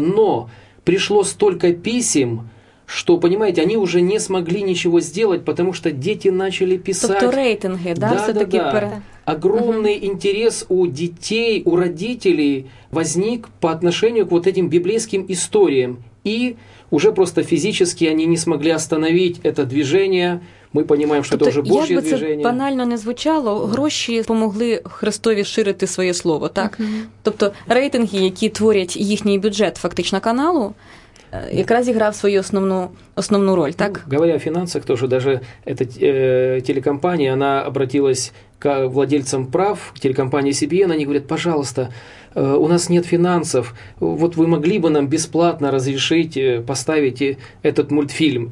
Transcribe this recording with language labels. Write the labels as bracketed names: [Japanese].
[Russian] Но пришло столько писем, что, понимаете, они уже не смогли ничего сделать, потому что дети начали писать. [Ukrainian] Тобто рейтинги, да? [Russian] Да-да-да. Огромный интерес у детей, у родителей возник по отношению к вот этим библейским историям. И уже просто физически они не смогли остановить это движение. [Ukrainian] Ми розуміємо, що тобто, це вже Божі движення. Тобто, як би це банально не звучало, гроші допомогли Христові ширити своє слово, так? Mm-hmm. Тобто, рейтинги, які творять їхній бюджет, фактично, каналу, якраз зіграв свою основну роль, так? [Russian] Ну, говоря о [Ukrainian] фінансах, теж, навіть ця телекомпанія, вона [Russian] обратилась к владельцам прав, к телекомпании CBN, они говорят, пожалуйста, у нас нет финансов, вот вы могли бы нам бесплатно разрешить поставить этот мультфильм.